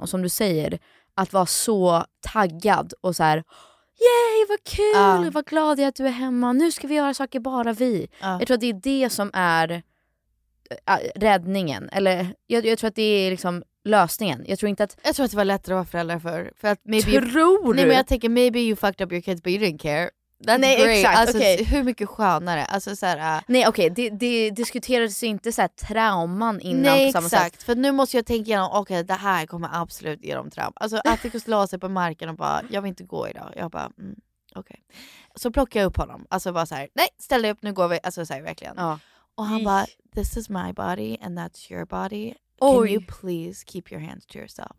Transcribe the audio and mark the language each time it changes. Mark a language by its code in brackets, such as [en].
[sv] Och som du säger, att vara så taggad och så här, yay, vad kul, vad glad jag är att du är hemma. Nu ska vi göra saker bara vi. Jag tror att det är det som är räddningen. Eller jag tror att det är liksom lösningen. Jag tror att det var lättare att vara föräldrar för att maybe, tror du? Nej, men jag tänker, [en] maybe you fucked up your kids but you didn't care. That's [sv] nej, [en] great. [sv] Exakt. Alltså, okay. Hur mycket skönare? Alltså, så här, nej, okej. Okay. Det diskuterades inte så här, trauman innan. Nej, på samma exakt. Sätt. För nu måste jag tänka igenom, okej, okay, det här kommer absolut ge dem trauma. Alltså, Atticus la sig på marken och bara, jag vill inte gå idag. Jag bara, okej. Okay. Så plockar jag upp honom. Alltså, bara så här, nej, ställ dig upp, nu går vi. Alltså, så här, verkligen. Ja. Och han bara, [en] this is my body and that's your body. Can you please keep your hands to yourself?